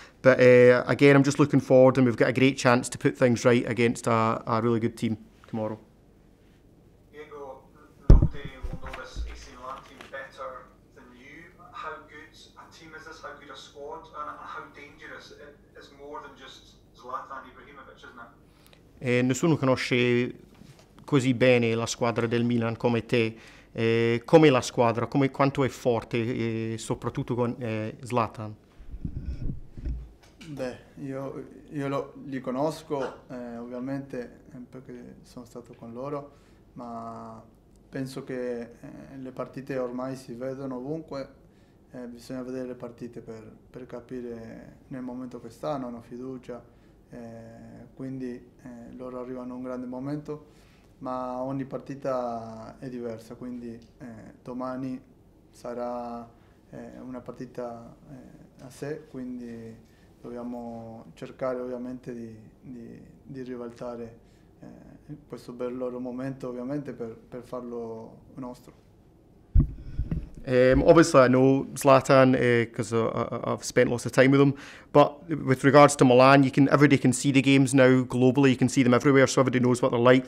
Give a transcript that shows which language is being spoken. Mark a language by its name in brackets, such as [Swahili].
[English] But again, I'm just looking forward, and we've got a great chance to put things right against a really good team tomorrow. Diego, nobody will know this AC Milan team better than you. How good a team is this? How good a squad? And how dangerous? It is more than just Zlatan Ibrahimovic, isn't it? [Italian] Nessuno conosce così bene la squadra del Milan come te. Come la squadra? Come quanto è forte, soprattutto con Zlatan? Beh, io li conosco ovviamente perché sono stato con loro, ma penso che le partite ormai si vedono ovunque, bisogna vedere le partite per capire nel momento che stanno, hanno fiducia, quindi loro arrivano a un grande momento, ma ogni partita è diversa, quindi domani sarà una partita a sé, quindi dobbiamo cercare ovviamente di ribaltare questo bel loro momento, ovviamente per farlo nostro. [English] Obviously I know Zlatan because I've spent lots of time with him, but with regards to Milan, everybody can see the games now globally, you can see them everywhere, so everybody knows what they're like.